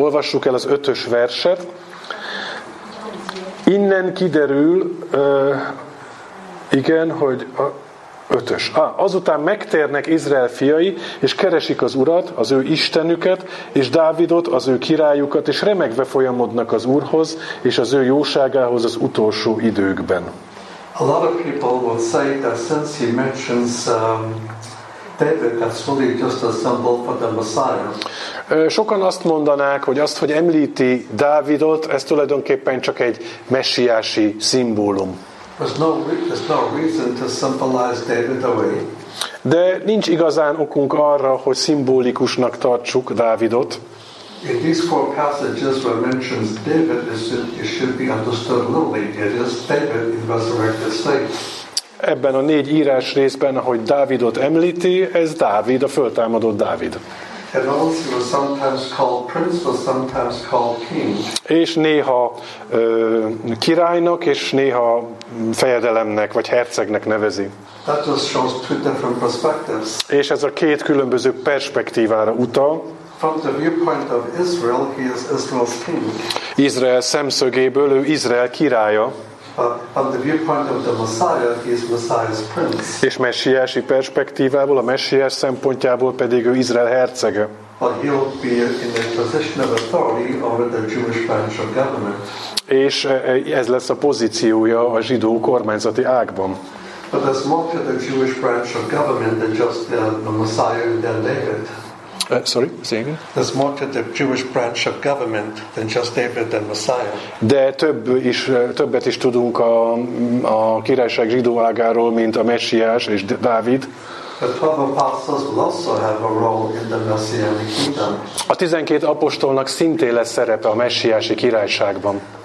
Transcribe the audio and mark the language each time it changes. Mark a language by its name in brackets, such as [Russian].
[Hungarian] Olvassuk el az 5-ös verset. Innen kiderül igen, hogy a 5-ös. Azután megtérnek Izrael fiai, és keresik az Urat, az ő Istenüket, és Dávidot, az ő királyukat, és remegve folyamodnak az Úrhoz, és az ő jóságához az utolsó időkben. [English] A lot of people will say that since he mentions David, that's really just a symbol for the Messiah. [Hungarian] Sokan azt mondanák, hogy azt, hogy említi Dávidot, ez tulajdonképpen csak egy messiási szimbólum. [English] There's no reason to symbolize David away. [Hungarian] De nincs igazán okunk arra, hogy szimbolikusnak tartsuk Dávidot. [English] In these four passages where mentions David, it should be understood literally. It is David in resurrected state. [Hungarian] Ebben a négy írás részben, ahogy Dávidot említi, ez Dávid, a föltámadott Dávid. [English] And also was sometimes called prince, was sometimes called king. [Hungarian] És néha királynak, és néha fejedelemnek, vagy hercegnek nevezi. [English] That just shows two different perspectives. [Hungarian] És ez a két különböző perspektívára utal. [English] From the viewpoint of Israel, he is Israel's king. [Hungarian] Izrael szemszögéből ő Izrael királya. [English] from the viewpoint of the Messiah, he is Messiah's prince. [Hungarian] És messiási perspektívából, a messiás szempontjából pedig ő Izrael hercege. [English] But he'll be in a position of authority over the Jewish branch of government. [Hungarian] És ez lesz a pozíciója a zsidó kormányzati ágban. [English] But there's more to the Jewish branch of government than just the Messiah and then David. Sorry, say again. There's more to the Jewish branch of government than just David and Messiah. [Hungarian] De többet is tudunk a királyság zsidó ágáról, mint a Messiás és Dávid. [English] The 12 apostles will also have a role in the Messianic kingdom. [Hungarian] A 12 apostolnak szintén lesz szerepe a messiási királyságban.